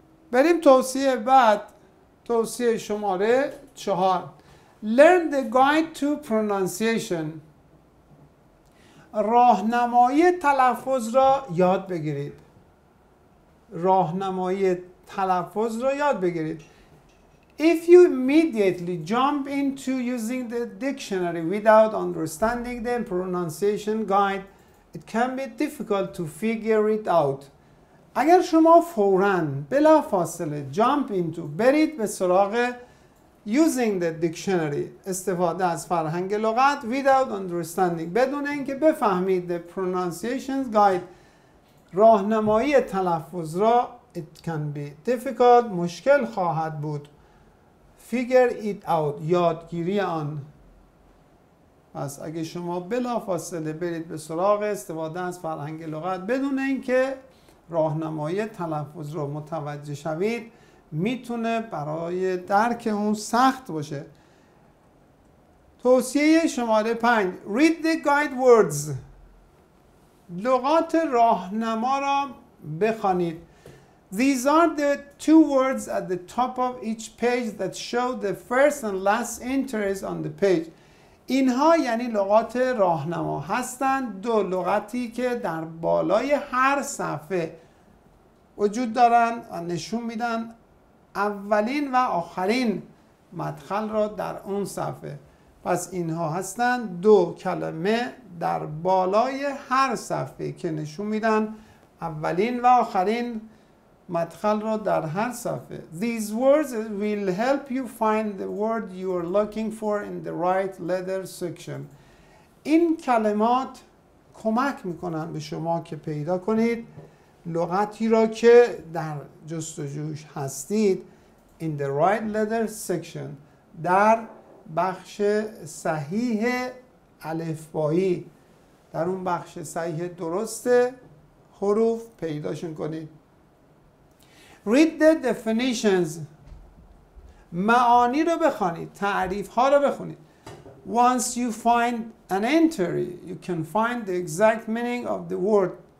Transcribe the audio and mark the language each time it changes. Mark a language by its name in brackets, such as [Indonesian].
[Persian] بریم توصیه بعد، توصیه شماره چهار. [English] Learn the guide to pronunciation. [Persian] راهنمایی تلفظ را یاد بگیرید. راهنمایی تلفظ را یاد بگیرید. [English] If you immediately jump into using the dictionary without understanding the pronunciation guide, it can be difficult to figure it out. [Persian] اگر شما فوراً بلا فاصله [English] jump into، [Persian] برید به سراغ [English] using the dictionary، [Persian] استفاده از فرهنگ لغت [English] without understanding، [Persian] بدون اینکه بفهمید [English] the pronunciation guide، [Persian] راهنمایی تلفظ را، [English] it can be difficult، [Persian] مشکل خواهد بود [English] figure it out، [Persian] یادگیری آن. پس اگه شما بلا فاصله برید به سراغ استفاده از فرهنگ لغت بدون اینکه راهنمایی تلفظ رو متوجه شوید میتونه برای درک اون سخت باشه. توصیه شماره 5، [English] read the guide words. [Persian] لغات راهنما را بخوانید. [English] These are the two words at the top of each page that show the first and last entries on the page. [Persian] اینها یعنی لغات راهنما هستند، دو لغتی که در بالای هر صفحه وجود دارن و نشون میدن اولین و آخرین مدخل را در اون صفحه. پس اینها هستند دو کلمه در بالای هر صفحه که نشون میدن اولین و آخرین مدخل را در هر صفحه. [English] These words will help you find the word you are looking for in the right letter section. [Persian] این کلمات کمک میکنن به شما که پیدا کنید لغتی را که در جستجوش هستید [English] in the right letter section [Persian] در بخش صحیح الفبایی در اون بخش صحیح درست حروف پیداشون کنید. [English] Read the definitions. [Persian] معانی رو بخونید، تعریف ها رو بخونید. [English] Once you find an entry, you can find the exact meaning of the word.